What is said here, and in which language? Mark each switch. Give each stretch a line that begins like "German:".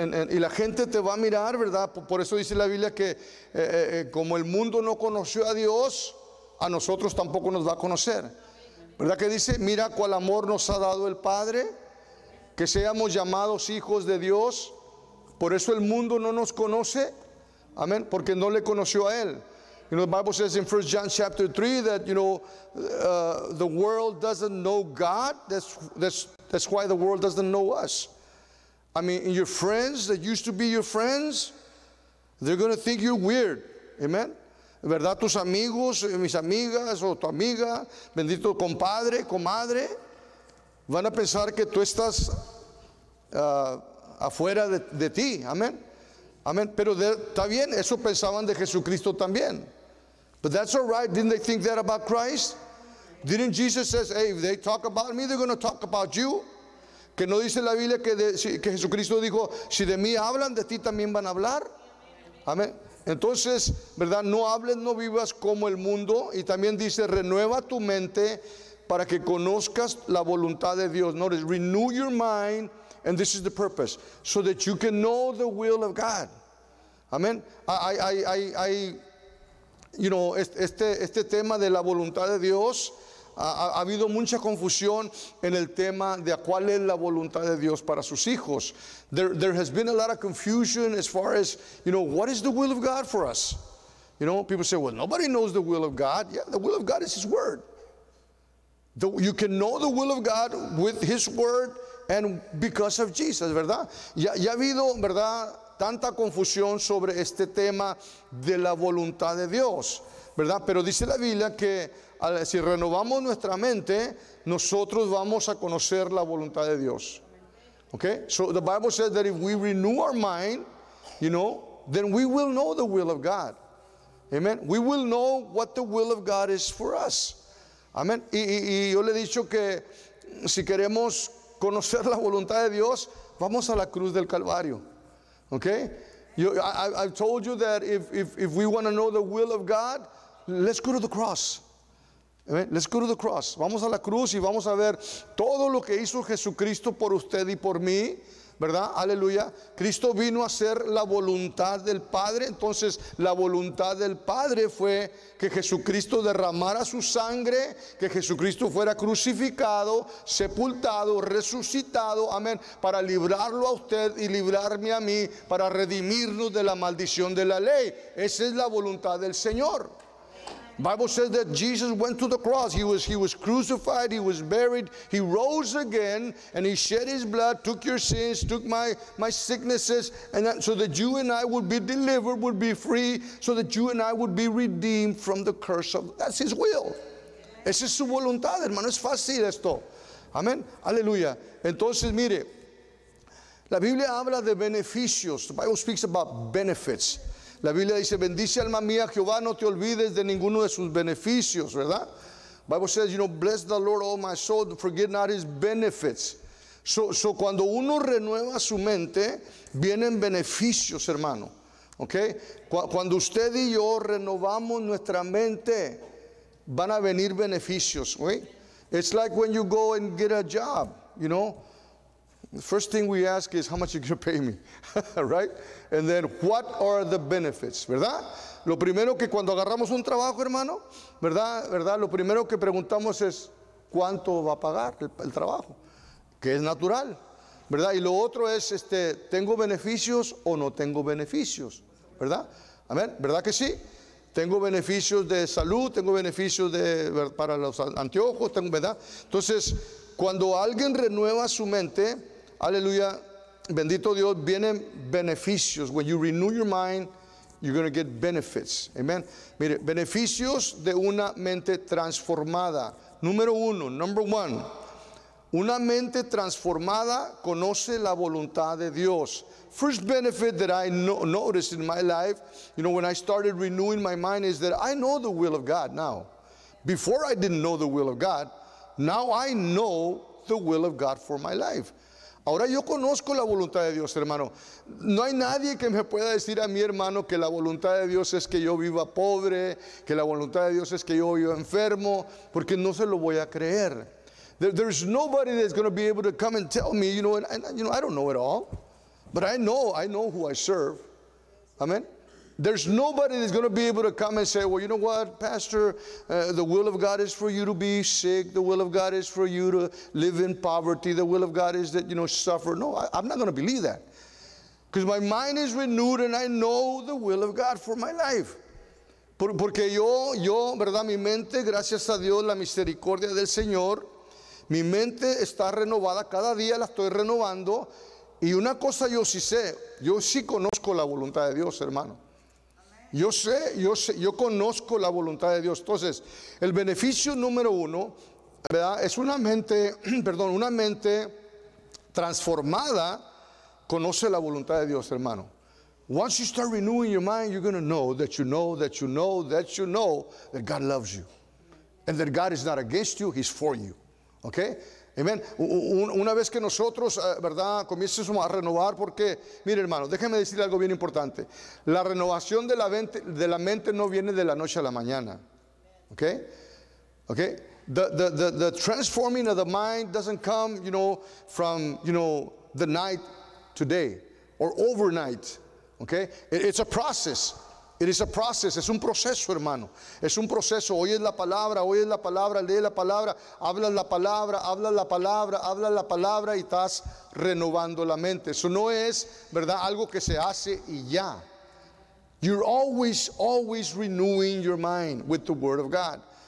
Spanish: Y la gente te va a mirar, ¿verdad? Por eso dice la Biblia que como el mundo no conoció a Dios, a nosotros tampoco nos va a conocer. ¿Verdad que dice? Mira cuál amor nos ha dado el Padre, que seamos llamados hijos de Dios. Por eso el mundo no nos conoce, amén, porque no le conoció a Él.
English: You know, the Bible says in 1 John chapter 3 that, you know, the world doesn't know God. That's why the world doesn't know us. I mean, your friends that used to be your friends, they're going to think you're weird.
Spanish: Amen. ¿Verdad? Tus amigos, mis amigas o tu amiga, bendito compadre, comadre, van a pensar que tú estás afuera de ti. Amen. Amen. Pero está bien, eso pensaban de Jesucristo también.
English: But that's all right. Didn't they think that about Christ? Didn't Jesus say, hey, if they talk about me, they're going to talk about you?
Spanish: Que no dice la Biblia que Jesucristo dijo, si de mí hablan, de ti también van a hablar. Amén. Entonces, ¿verdad?, no hables, no vivas como el mundo. Y también dice, renueva tu mente para que conozcas la voluntad de Dios.
English: Notice, renew your mind, and this is the purpose, so that you can know the will of God.
Spanish: Amén.
English: I you know,
Spanish: este tema de la voluntad de Dios, ha habido mucha confusión en el tema de cuál es la voluntad de Dios para sus hijos.
English: There has been a lot of confusion as far as, you know, what is the will of God for us? You know, people say, well, nobody knows the will of God. Yeah, the will of God is His Word. You can know the will of God with His Word and because of Jesus,
Spanish: ¿verdad? Ya ha habido, ¿verdad?, tanta confusión sobre este tema de la voluntad de Dios, ¿verdad? Pero dice la Biblia que si renovamos nuestra mente, nosotros vamos a conocer la voluntad de Dios.
English: Okay? So the Bible says that if we renew our mind, you know, then we will know the will of God. Amen. We will know what the will of God is for us.
Spanish: Amen. Y yo le he dicho que si queremos conocer la voluntad de Dios, vamos a la cruz del Calvario. Okay?
English: I've told you that if we want to know the will of God, let's go to the cross. Amen. Let's go to the cross.
Spanish: Vamos a la cruz y vamos a ver todo lo que hizo Jesucristo por usted y por mí. ¿Verdad? Aleluya. Cristo vino a hacer la voluntad del Padre. Entonces, la voluntad del Padre fue que Jesucristo derramara su sangre, que Jesucristo fuera crucificado, sepultado, resucitado, amén, para librarlo a usted y librarme a mí, para redimirnos de la maldición de la ley. Esa es la voluntad del Señor.
English: Bible says that Jesus went to the cross. He was crucified. He was buried. He rose again, and He shed His blood, took your sins, took my sicknesses, and that, so that you and I would be delivered, would be free, so that you and I would be redeemed from the curse of. That's His will.
Spanish: Esa es su voluntad, hermano. Es fácil esto. Amen. Aleluya. Entonces, mire, la Biblia habla de beneficios.
English: The Bible speaks about benefits.
Spanish: La Biblia dice, bendice alma mía, Jehová, no te olvides de ninguno de sus beneficios, ¿verdad?
English: Bible says, you know, bless the Lord, oh my soul, forget not His benefits.
Spanish: So cuando uno renueva su mente, vienen beneficios, hermano.
English: Okay?
Spanish: Cuando usted y yo renovamos nuestra mente, van a venir beneficios.
English: Okay? It's like when you go and get a job, you know. The first thing we ask is, how much are you going to pay me? Right? And then, what are the benefits?
Spanish: ¿Verdad? Lo primero que cuando agarramos un trabajo, hermano, ¿verdad? Lo primero que preguntamos es, ¿cuánto va a pagar el trabajo? Que es natural, ¿verdad? Y lo otro es, ¿tengo beneficios o no tengo beneficios? ¿Verdad? Amén. ¿Verdad que sí? Tengo beneficios de salud, tengo beneficios para los anteojos, ¿verdad? Entonces, cuando alguien renueva su mente, aleluya, bendito Dios, vienen beneficios.
English: When you renew your mind, you're going to get benefits. Amen.
Spanish: Mire, beneficios de una mente transformada. Número uno,
English: number one.
Spanish: Una mente transformada conoce la voluntad de Dios.
English: First benefit that I noticed in my life, you know, when I started renewing my mind, is that I know the will of God now. Before I didn't know the will of God. Now I know the will of God for my life. Ahora yo conozco la voluntad de Dios, hermano. No hay nadie que me pueda decir a mi hermano que la voluntad de Dios es que yo viva pobre, que la voluntad de Dios es que yo viva enfermo, porque no se lo voy a creer. There's nobody that's going to be able to come and tell me, you know, I don't know it all, but I know who I serve. Amen. There's nobody that's going to be able to come and say, well, you know what, Pastor, the will of God is for you to be sick. The will of God is for you to live in poverty. The will of God is that, you know, suffer. No, I'm not going to believe that. Because my mind is renewed and I know the will of God for my life.
Spanish: Porque yo, verdad, mi mente, gracias a Dios, la misericordia del Señor, mi mente está renovada. Cada día la estoy renovando. Y una cosa yo sí sé, yo sí conozco la voluntad de Dios, hermano. Yo sé, yo conozco la voluntad de Dios. Entonces, el beneficio número uno, ¿verdad?, es una mente transformada conoce la voluntad de Dios, hermano.
English: Once you start renewing your mind, you're going to know that you know that you know that you know that God loves you. And that God is not against you, He's for you. Okay? Amen.
Spanish: Una vez que nosotros, ¿verdad?, comiencemos a renovar, porque, mire, hermano, déjeme decir algo bien importante. La renovación de la mente no viene de la noche a la mañana.
English: Okay? Okay? The transforming of the mind doesn't come, you know, from, you know, the night to day or overnight. Okay? It's a process. It is a process.
Spanish: Es un proceso, hermano. Es un proceso. Oyes la palabra, oyes la palabra, lees la palabra, hablas la palabra, hablas la palabra, hablas la palabra y estás renovando la mente. Eso no es, ¿verdad?, algo que se hace y ya.
English: You're always, always renewing your mind with the Word of God.